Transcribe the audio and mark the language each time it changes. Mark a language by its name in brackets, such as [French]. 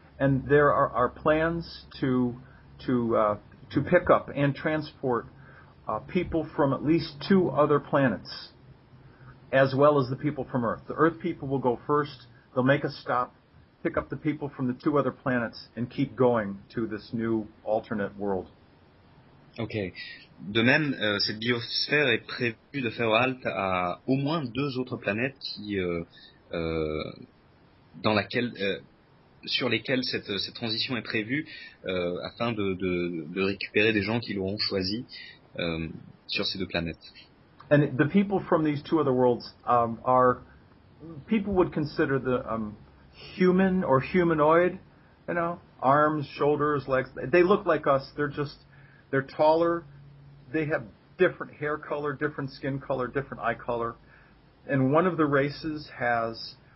[English] And there are plans to pick up and transport people from at least two other planets, as well as the people from Earth. The Earth people will go first, they'll make a stop, pick up the people from the two other planets and keep going to this new alternate world. Okay. [French] De même, cette biosphère est prévue de faire halte à au moins deux autres planètes sur lesquelles cette transition est prévue afin de récupérer des gens qui l'auront choisi sur ces deux planètes. [English] And the people from these two other worlds are people would consider the human or humanoid, you know, arms, shoulders, legs. They look like us. They're taller. They have different hair color, different skin color, different eye color. And one of the races has